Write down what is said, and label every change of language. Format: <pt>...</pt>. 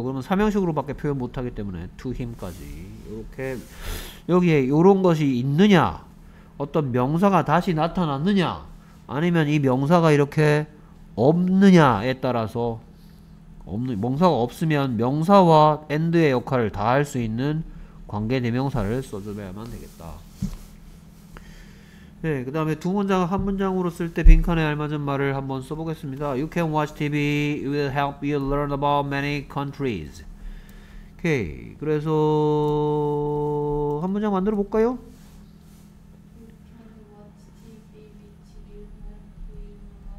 <ko>그러면 삼형식으로 밖에 표현 못하기 때문에 to him까지 이렇게 여기에 이런 것이 있느냐, 어떤 명사가 다시 나타났느냐 아니면 이 명사가 이렇게 없느냐에 따라서 명사가 없으면 명사와 and의 역할을 다 할 수 있는 관계대명사를 써줘야만 되겠다. 네, 그 다음에 두 문장 한 문장으로 쓸 때 빈칸에 알맞은 말을 한번 써보겠습니다.</ko> <en>You can watch TV. It will help you learn about many countries.</en> <ko>오케이, 그래서 한 문장 만들어 볼까요?</ko> <en>You can watch TV. It will help you learn</en>